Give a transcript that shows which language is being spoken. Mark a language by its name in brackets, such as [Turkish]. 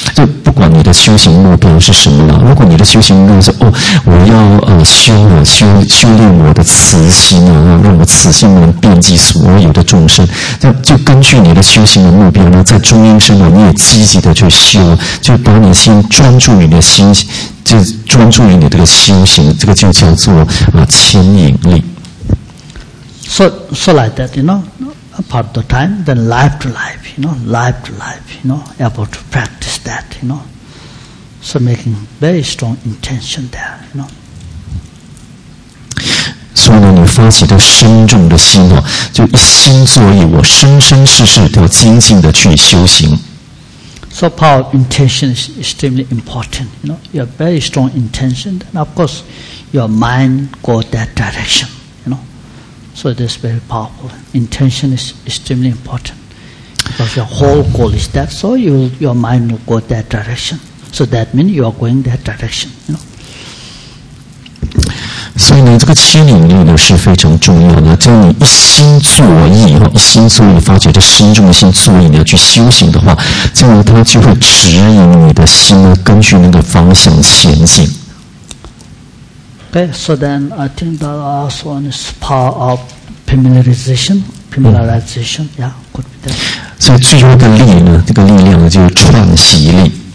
[Chinese] 就不管你的修行目标是什么了，如果你的修行目标是哦，我要修炼我的慈心啊，让我慈心能遍及所有的众生。就根据你的修行的目标呢，在中阴身呢，你也积极的去修，就把你先专注你的心。就专注于你这个修行，这个就叫做牵引力。 [English] So like that, you know, part of the time, then life to life, you know, able to practice that, you know. So making very strong intention there, you know. [Chinese] 所以呢，你发起的深重的心啊，就一心作意，我生生世世都要精进的去修行。 [English] So power of intention is extremely important. You know, you have very strong intention, and of course, your mind goes that direction. You know, so it is very powerful. Intention is extremely important because your whole goal is that. So your mind will go that direction. So that means you are going that direction. You know. [Chinese] 所以呢，这个牵引力呢是非常重要的。只要你一心作意哈，一心作意，发觉这心中的心作意，你要去修行的话，这样它就会指引你的心呢，根据那个方向前进。 [English] Okay, so then I think the last one is power of familiarization. Yeah, could be that. [Chinese] 所以最后一个力呢，这个力量呢，就是串习力。